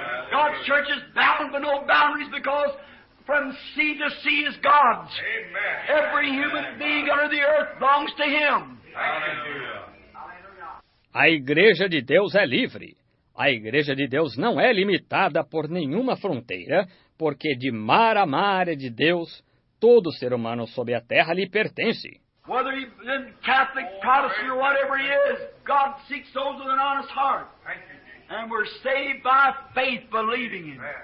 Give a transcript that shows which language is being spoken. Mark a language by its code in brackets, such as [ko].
[en] God's church is bound but no boundaries because from sea to sea is God's. Amen. Every human being under the earth belongs to Him. Hallelujah. [pt] A Igreja de Deus é livre. A Igreja de Deus não é limitada por nenhuma fronteira, porque de mar a mar é de Deus, todo ser humano sob a terra lhe pertence. [en] Whether he be Catholic, Protestant, or whatever he is, God seeks those with an honest heart. And we're saved by faith believing Him.